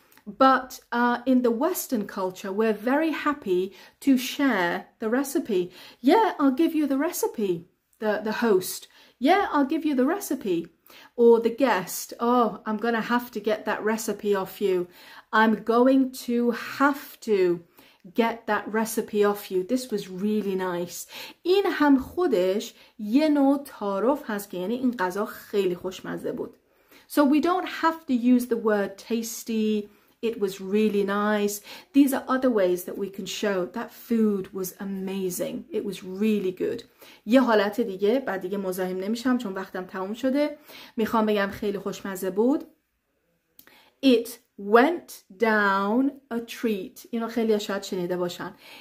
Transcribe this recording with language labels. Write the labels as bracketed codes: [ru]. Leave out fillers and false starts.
[en] But in the Western culture, we're very happy to share the recipe. Yeah, I'll give you the recipe, the host. Yeah, I'll give you the recipe. Or the guest, oh, I'm going to have to get that recipe off you. I'm going to have to get that recipe off you. This was really nice. [fa] این هم خودش یه نوع تعارف هست که یعنی این غذا خیلی خوشمزه بود. [en] So we don't have to use the word tasty. It was really nice. These are other ways that we can show that food was amazing. It was really good. [fa] یه حالت دیگه بعد دیگه مزاحم نمیشم چون وقتم تموم شده. میخوام بگم خیلی خوشمزه بود. [en] It went down a treat. [fa] اینو خیلی شاید شنیده باشن.